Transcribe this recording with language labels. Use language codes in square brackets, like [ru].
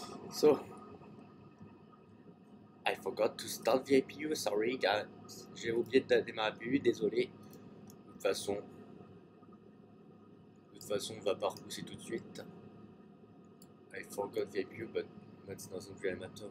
[en] So, I forgot to start the APU, sorry guys. [fr] J'ai oublié de démarrer l'APU, désolé. De toute façon, on va pas repousser tout de suite. [en] I forgot the APU, but that doesn't really matter.